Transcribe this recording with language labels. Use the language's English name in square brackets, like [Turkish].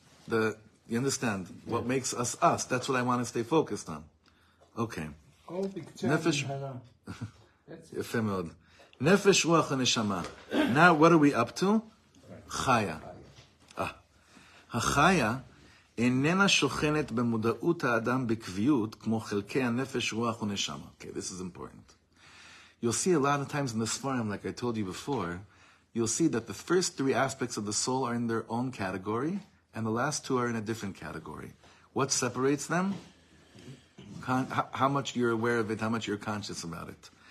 [English] You understand what makes us us. That's what I want to stay focused on. Okay. Nefesh. Ephemeral. Nefesh ruach neshama. Now, what are we up to? Chaya. Ah, a chaya [Hebrew] איננה שוכנת במודעות האדם בקביעות כמו חלקי הנפש, רוח ונשמה. [English] Okay, this is important. You'll see a lot of times in the Sfarim, like I told you before, you'll see that the first three aspects of the soul are in their own category, and the last two are in a different category. What separates them? How much you're aware of it, how much you're conscious about it.